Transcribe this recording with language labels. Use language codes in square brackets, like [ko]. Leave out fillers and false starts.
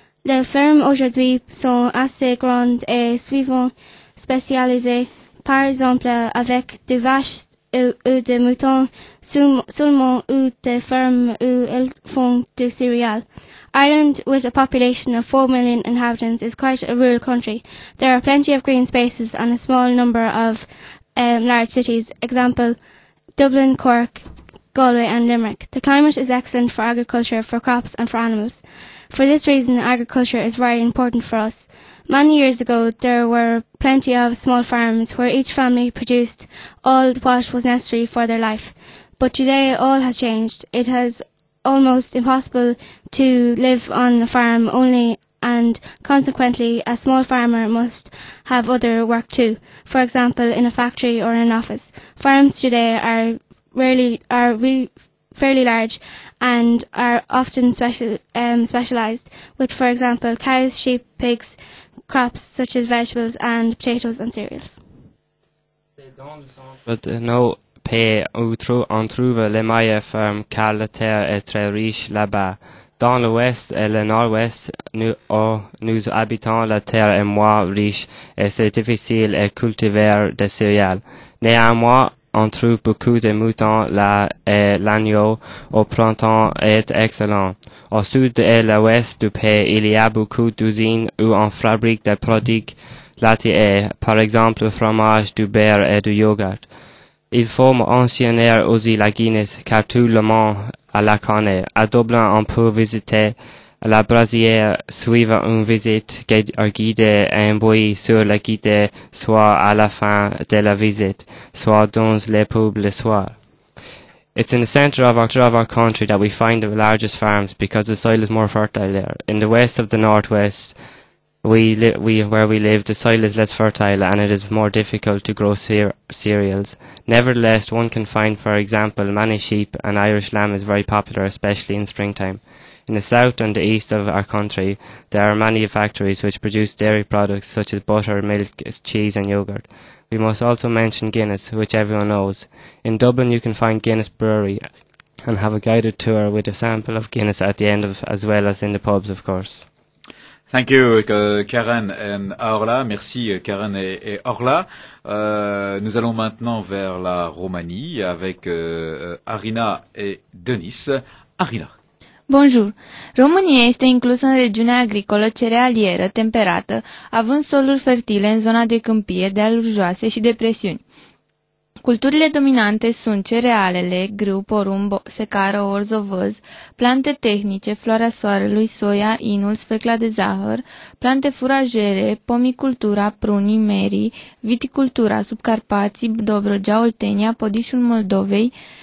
[fr] Les fermes aujourd'hui sont assez grandes et souvent spécialisées. Par exemple, avec des vaches ou des moutons seulement ou des fermes où elles font du céréales. [en] Ireland, with a population of 4 million inhabitants, is quite a rural country. There are plenty of green spaces and a small number of large cities, example, Dublin, Cork, Galway and Limerick. The climate is excellent for agriculture, for crops and for animals. For this reason, agriculture is very important for us. Many years ago, there were plenty of small farms where each family produced all what was necessary for their life. But today, all has changed. It has almost impossible to live on a farm only, and consequently a small farmer must have other work too, for example in a factory or an office. Farms today are fairly large and are often specialized, with for example cows, sheep, pigs, crops such as vegetables and potatoes and cereals. But no. [fr] On trouve les meilleures fermes car la terre est très riche là-bas. Dans l'ouest et le nord-ouest, nous habitons la terre est moins riche et c'est difficile de cultiver des céréales. Néanmoins, on trouve beaucoup de moutons là et l'agneau au printemps est excellent. Au sud et l'ouest du pays, il y a beaucoup d'usines où on fabrique des produits laitiers, par exemple le fromage, du beurre et du yogurt. Il faut mentionner aussi la Guinness, car tout le monde la connaît. À Dublin, on peut visiter la brasserie, suivre une visite guidée et un bruit sur la guidée, soit à la fin de la visite, soit dans les pubs le soir. [en] It's in the center of our country that we find the largest farms, because the soil is more fertile there. In the west of the northwest, where we live, the soil is less fertile and it is more difficult to grow cereals. Nevertheless, one can find, for example, many sheep, and Irish lamb is very popular, especially in springtime. In the south and the east of our country, there are many factories which produce dairy products such as butter, milk, cheese and yogurt. We must also mention Guinness, which everyone knows. In Dublin, you can find Guinness Brewery and have a guided tour with a sample of Guinness at the end, as well as in the pubs, of course. Thank you, [fr] Karen et Orla. Merci, Karen et Orla. Nous allons maintenant vers la Roumanie avec Arina et Denis. Arina. Bonjour. [ro] România este inclusă în regiunea agricolă cerealieră temperată, având soluri fertile în zona de câmpie, de aluri joase și depresiuni. Culturile dominante sunt cerealele, grâu, porumb, secară, orz, ovăz, plante tehnice, floarea soarelui, soia, inul, sfecla de zahăr, plante furajere, pomicultura, prunii, merii, viticultura, subcarpații, dobrogea, Oltenia, podișul Moldovei.